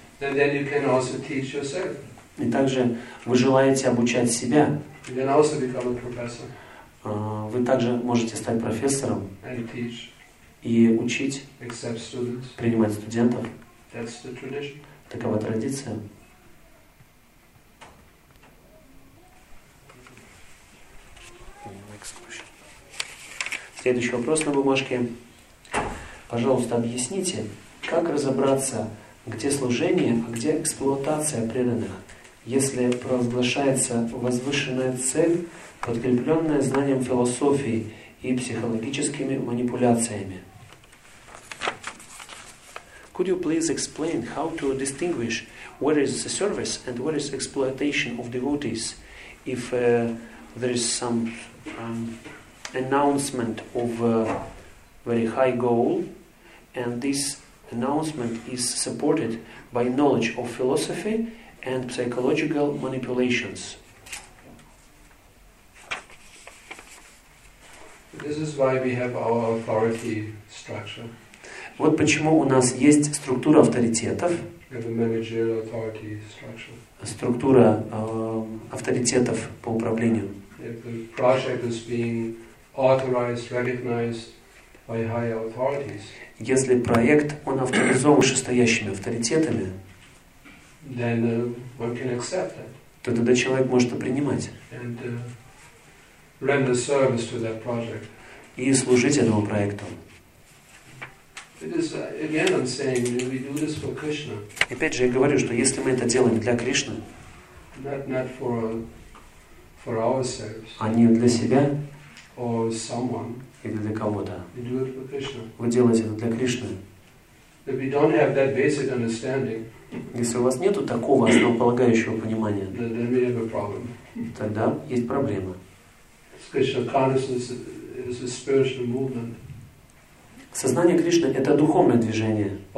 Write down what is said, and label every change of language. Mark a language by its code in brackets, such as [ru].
[en] And then you can also teach yourself. [ru] И также вы желаете обучать себя. [en] And then also become a professor. [ru] Вы также можете стать профессором. [en] And teach. [ru] И учить. [en] Accept students. [ru] Принимать студентов. [en] That's the tradition. [ru] Такова традиция. Следующий вопрос на бумажке. Пожалуйста, объясните, как разобраться, где служение, а где эксплуатация преданных, если провозглашается возвышенная цель, подкрепленная знанием философии и психологическими манипуляциями. [en] Could you please explain how to distinguish what is the service and what is exploitation of devotees, if there is some announcement of a very high goal, and this announcement is supported by knowledge of philosophy and psychological manipulations. This is why we have our authority structure. [ru] Вот почему у нас есть структура авторитетов. [en] We have a managerial authority structure. [ru] Структура авторитетов по управлению. [en] If the project is being authorized, recognized by higher authorities. [ru] Если проект он авторизован вышестоящими авторитетами, [en] then one can accept that. [ru] То тогда человек может это принимать. [en] And render service to that project. [ru] И служить этому проекту. [en] It is again I'm saying we do this for Krishna. [ru] Опять же я говорю, что если мы это делаем для Кришны, [en] not for our service. [ru] А не для себя. [en] Or someone. [ru] Или для кого-то. [en] We do it for Krishna. [ru] Вы делаете это для Кришны. [en] If we don't have that basic understanding. [ru] Если у вас нету такого основополагающего понимания. [en] Then we have a problem. [ru] Тогда есть проблема. [en] Krishna consciousness is a spiritual movement. [ru] Сознание Кришны — это духовное движение.